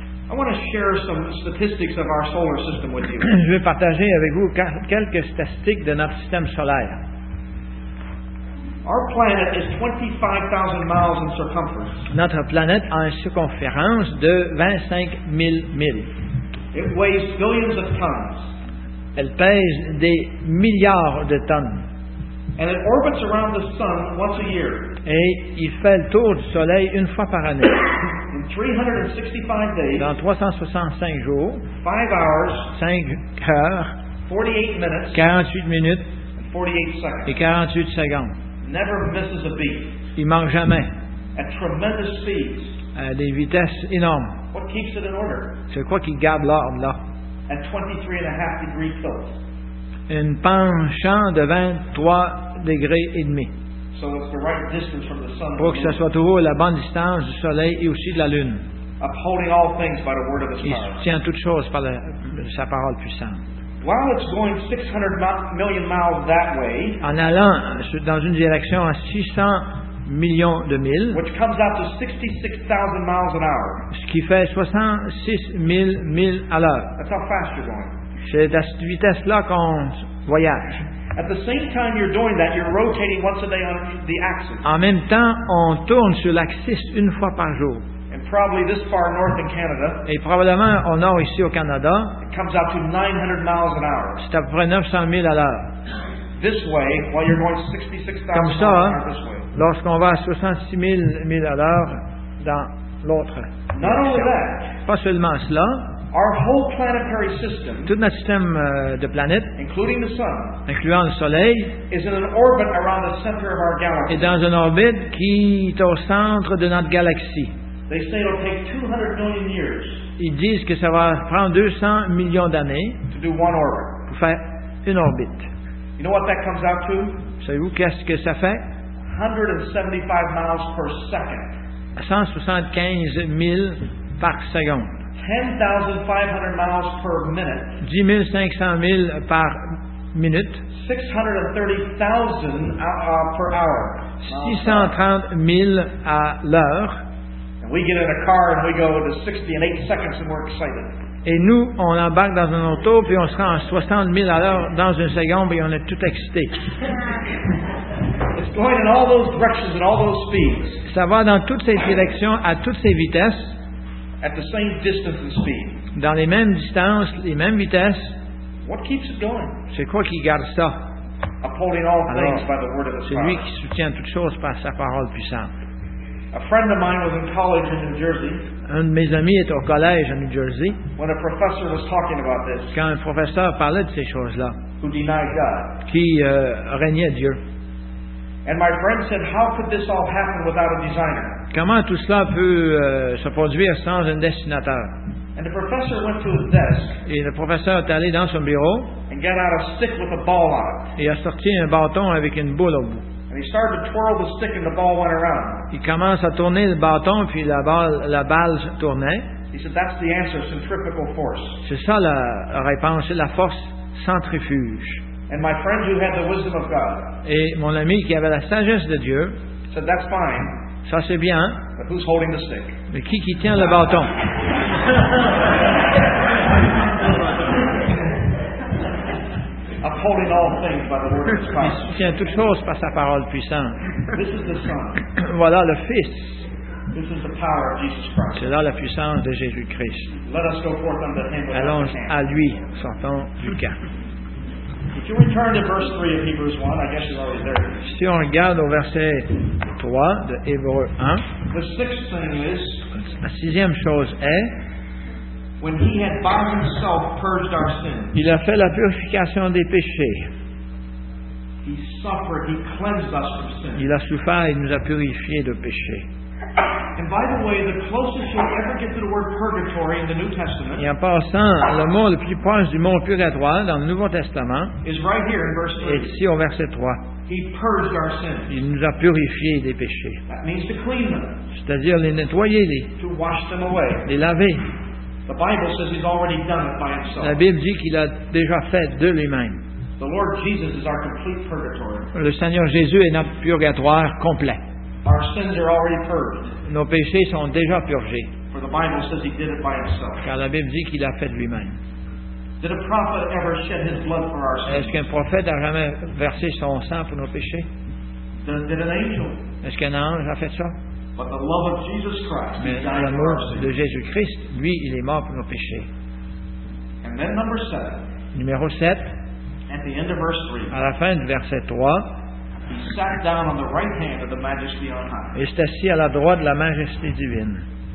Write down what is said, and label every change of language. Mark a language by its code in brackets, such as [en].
[en] I want to share some statistics of our solar system with you. [fr] Je vais partager avec vous quelques statistiques de notre système solaire. [en] Our planet is 25,000 miles in circumference. [fr] Notre planète a une circonférence de 25 000 milles. [en] It weighs billions of tons. [fr] Elle pèse des milliards de tonnes. [en] And it orbits around the sun once a year. [fr] Et il fait le tour du soleil une fois par année. [en] In 365 days. [fr] Dans 365 jours. [en] 5 hours. [fr] 5 heures. [en] 48 minutes. [fr] 48 minutes. [en] 48 seconds. [fr] Et 48 secondes. [en] Never misses a beat. [fr] Il manque jamais. [en] At tremendous speeds. [fr] À des vitesses énormes. [en] What keeps it in order? [fr] C'est quoi qui garde l'ordre là? [en] At 23.5 degrees tilt. [fr] Une penchant de 23 degrés et demi. [en] So it's the right distance from the sun. [fr] Pour que ce soit toujours la bonne distance du soleil et aussi de la lune. [en] Upholding all things by the word of his power. [fr] Il soutient toutes choses par sa parole puissante. [en] While it's going 600 million miles that way, [fr] en allant dans une direction à 600 millions de milles, [en] which comes out to 66,000 miles an hour, [fr] ce qui fait 66 000 milles à l'heure. [en] That's how fast you're going. [fr] C'est à cette vitesse-là qu'on voyage. [en] At the same time you're doing that, you're rotating once a day on the axis. [fr] En même temps, on tourne sur l'axis une fois par jour. [en] And probably this far north in Canada. [fr] Et probablement au nord ici au Canada. [en] It comes out to 900 miles an hour. [fr] C'est à peu près 900 milles à l'heure. [en] This way, while you're going 66,000 miles an hour this way. [fr] Comme ça, lorsqu'on va à 66 000 milles à l'heure dans l'autre. [en] Not only that. [fr] Pas seulement cela. [en] Our whole planetary system, [fr] tout notre système de planètes, [en] including the sun, [fr] incluant le soleil, [en] is in an orbit around the center of our galaxy. [fr] Est dans une orbite qui est au centre de notre galaxie. [en] They say it'll take 200 million years. [fr] Ils disent que ça va prendre 200 millions d'années [en] to do one orbit. [fr] Pour faire une orbite. [en] You know what that comes out to? [fr] Savez-vous qu'est-ce que ça fait? [en] 175 miles per second. [fr] 175 milles par seconde. [en] 10,500 miles per minute. [fr] 10,500 miles par minute. [en] 630,000 per hour. [fr] 630,000 à l'heure. [en] And we get in a car and we go to 60 in 8 seconds and we're excited. [fr] Et nous, on embarque dans un auto puis on se rend à 60,000 à l'heure dans une seconde et on est tout excité. [en] It's going in all those directions at all those speeds. [fr] Ça va dans toutes ces directions à toutes ces vitesses. [en] At the same distance and speed. [fr] Dans les mêmes distances, les mêmes vitesses. [en] What keeps it going? [fr] C'est quoi qui garde ça? [en] Upholding all things by the word of the Spirit. [fr] C'est lui qui soutient toutes choses par sa parole puissante. [en] A friend of mine was in college in New Jersey. [fr] Un de mes amis était au collège à New Jersey. [en] When a professor was talking about this. [fr] Quand un professeur parlait de ces choses-là. [en] Who denied God. [fr] Qui reniait Dieu. [en] And my friend said, how could this all happen without a designer? [fr] Comment tout cela peut se produire sans un destinateur? [en] And the professor went to his desk. [fr] Et le professeur est allé dans son bureau. [en] And got out a stick with a ball on it. [fr] Et a sorti un bâton avec une boule au bout. [en] And he started to twirl the stick and the ball went around. [fr] Il commence à tourner le bâton puis la balle tournait. [en] He said, that's the answer, centrifugal force. [fr] C'est ça la réponse, c'est la force centrifuge. [en] And my friend who had the wisdom of God. [fr] Et mon ami qui avait la sagesse de Dieu. [en] Said, that's fine. [fr] Ça c'est bien. [en] But who's holding the stick? [fr] Mais qui tient le bâton? [en] Upholding all things by the word of God. [fr] Il soutient toutes choses par sa parole puissante. [en] This is the Son. [fr] Voilà le Fils. [en] This is the power of Jesus Christ. [fr] C'est là la puissance de Jésus Christ. [en] Let us go forth unto him. [fr] Allons à lui, sortons du camp. [en] If you return to verse 3 of Hebrews 1, I guess you're already there. [fr] Si on regarde au verset 3 de Hébreux 1, [en] the sixth thing is, [fr] la sixième chose est, [en] when he had by himself purged our sins, [fr] il a fait la purification des péchés. [en] He suffered, he cleansed us from sin. [fr] Il a souffert, il nous a purifiés de péchés. [en] And by the way, the closest you'll ever get to the word purgatory in the New Testament. [fr] Et en passant, le mot le plus proche du mot purgatoire dans le Nouveau Testament [en] is right here in verse 3. [fr] Est ici au verset 3. [en] He purged our sins. [fr] Il nous a purifié des péchés. [en] That means to clean them. [fr] C'est-à-dire les nettoyer, les. [en] To wash them away. [fr] Les laver. [en] The Bible says he's already done it by himself. [fr] La Bible dit qu'il a déjà fait de lui-même. [en] The Lord Jesus is our complete purgatory. [fr] Le Seigneur Jésus est notre purgatoire complet. [en] Our sins are already purged. [fr] Nos péchés sont déjà purgés. [en] For the Bible says he did it by himself. [fr] Car la Bible dit qu'il a fait lui-même. [en] Did a prophet ever shed his blood for our sins? [fr] Est-ce qu'un prophète a jamais versé son sang pour nos péchés? [en] Did an angel? [fr] Est-ce qu'un ange a fait ça? [en] But the love of Jesus Christ, [fr] mais [en] he died [fr] l'amour de Jésus-Christ, lui, il est mort pour nos péchés. [en] Then number 7. [fr] Numéro 7. [en] At the end of verse 3. [fr] À la fin du verset 3. [en] He sat down on the right hand of the Majesty on high. [fr] Il s'est assis à la droite de la Majesté divine.